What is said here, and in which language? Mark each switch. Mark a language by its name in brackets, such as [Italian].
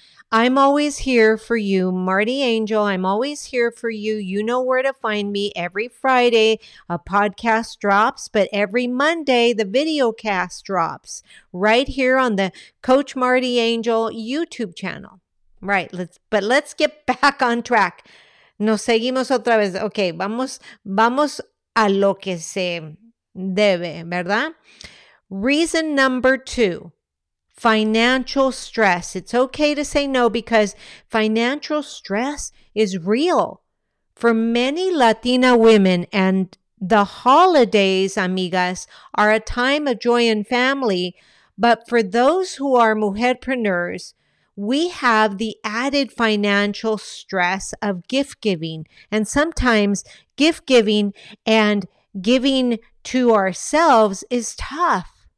[English] I'm always here for you, Marty Angel. I'm always here for you. You know where to find me. Every Friday, a podcast drops, but every Monday, the video cast drops right here on the Coach Marty Angel YouTube channel. Right, let's get back on track. [Spanish] Nos seguimos otra vez. Okay, vamos a lo que se debe, ¿verdad? [English] Reason number two, financial stress. It's okay to say no because financial stress is real for many Latina women, and the holidays, amigas, are a time of joy and family. But for those who are mujerpreneurs, we have the added financial stress of gift giving, and sometimes gift giving and giving to ourselves is tough.